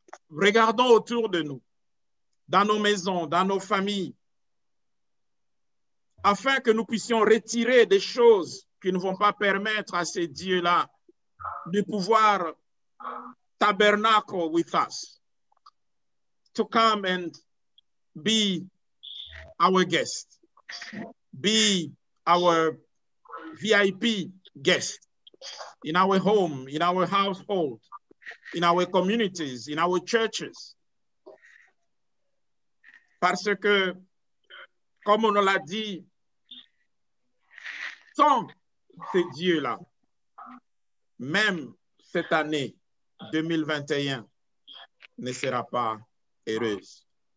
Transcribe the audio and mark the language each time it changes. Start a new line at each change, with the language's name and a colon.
French: Regardons autour de nous, dans nos maisons, dans nos familles, afin que nous puissions retirer des choses qui ne vont pas permettre à ces dieux-là de pouvoir
English: tabernacle with us, to come and be our guest, be our VIP guest. in our home, in our household, in our communities, in our churches.
French: Parce que, comme on l'a dit, tant ces dieux-là, même cette année 2021 ne sera pas heureuse.